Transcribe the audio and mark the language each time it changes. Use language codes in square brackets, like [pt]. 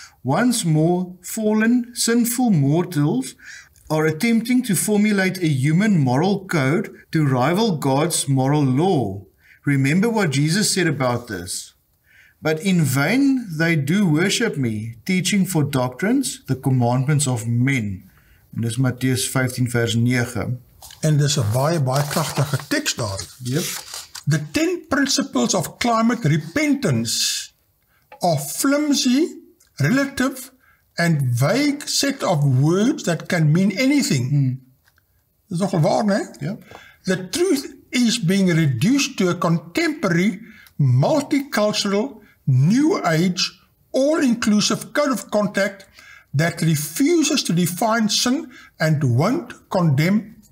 [en] Once more, fallen, sinful mortals are attempting to formulate a human moral code to rival God's moral law. Remember what Jesus said about this. But in vain they do worship me, teaching for doctrines the commandments of men. [af] En dis Matteus 15 vers 9. En dis 'n baie, baie kragtige teks daar. [en] Yep. The 10 principles of climate repentance are flimsy, relative, and vague set of words that can mean anything. [af] Dis nogal waar, né? Ja. [en] The truth is being reduced to a contemporary, multicultural, new age, all-inclusive code of conduct that refuses to define sin and won't condemn